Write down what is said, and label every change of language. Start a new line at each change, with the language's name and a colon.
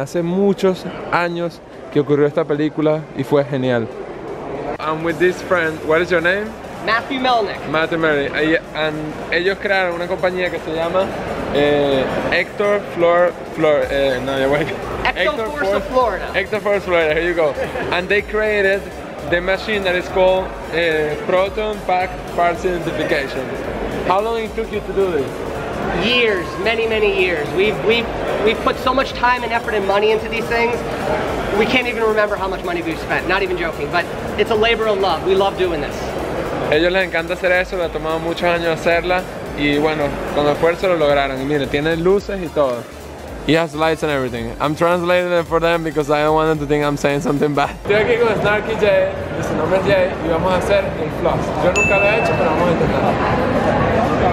Spanish: Hace muchos años que ocurrió esta película y fue genial.
English: I'm with this friend. What is your name? Matthew Melnick. Matthew Melnick.
Spanish: Y ellos crearon una compañía que se llama Hector Flor Flor. No, ya voy.
English: Hector Force of Florida. Hector Force of Florida. Here you go. And they created the machine that is called Proton Pack Parts Identification. How long it took you to do this? Years, many years. We've put so much time and effort and money into these things. We can't even remember how much money we've spent. Not even joking. But it's a labor of love. We love doing this.
Spanish: A ellos les encanta hacer eso, le ha tomado muchos años hacerla y bueno, con esfuerzo lo lograron. Y mire, tiene luces y todo.
English: He has lights and everything. I'm translating it for them because I don't want them to think I'm saying something bad.
Spanish: Estoy aquí con Snarky J, su nombre es Jay, y vamos a hacer el floss. Yo nunca lo he hecho, pero vamos a intentarlo.